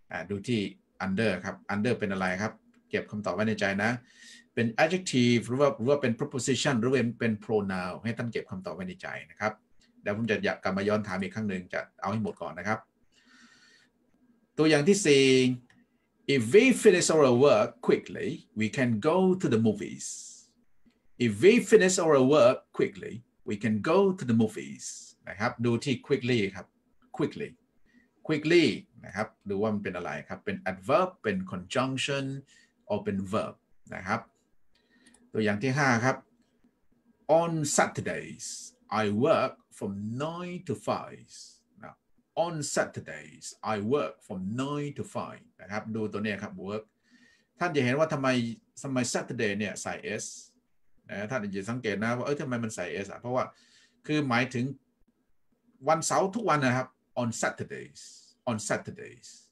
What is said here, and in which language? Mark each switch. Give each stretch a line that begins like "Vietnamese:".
Thai: ดูที่ under ครับ under เป็นอะไรครับเก็บคำตอบไว้ในใจนะเป็น adjective หรือว่าเป็น preposition หรือเป็น pronoun ให้ท่านเก็บคำตอบไว้ในใจนะครับเดี๋ยวผมจะอยากกลับมาย้อนถามอีกครั้งหนึ่งจะเอาให้หมดก่อนนะครับตัวอย่างที่4
English: If we finish our work quickly we can go to the movies if we finish our work quickly, we can go to the movies.
Thai: นะครับดูที่ quickly ครับ quickly quickly นะครับดูว่ามันเป็นอะไรครับเป็น adverb เป็น conjunction or เป็น verb นะครับตัวอย่างที่5ครับ
English: on Saturdays I work from 9 to 5
Thai: now on Saturdays I work from 9 to 5นะครับดูตัวนี้ครับ work ท่านจะเห็นว่าทำไม Saturday เนี่ยใส่ s นะท่านจะสังเกตนะว่าเออทำไมมันใส่ s อ่ะเพราะว่าคือหมายถึงวันเสาร์ทุกวันนะครับ
English: on Saturdays on Saturdays